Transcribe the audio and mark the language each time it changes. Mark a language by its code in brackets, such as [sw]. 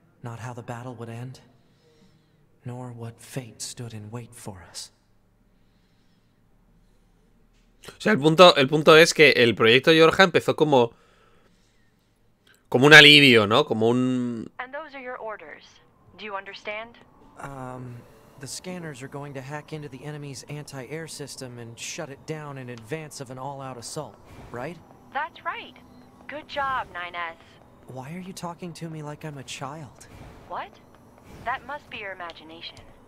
[en] Not how the battle would end, nor what fate stood in wait for us. [es] O sea, el punto es que el proyecto Yorha empezó como un alivio, ¿no? Como un... [en] And those are your orders. Do you understand? The scanners are going to hack into the enemy's anti-air system and shut it down in advance of an all-out assault, right? That's right. Good job, 9S. Why are you talking to me like I'm a child? What? That must be your imagination.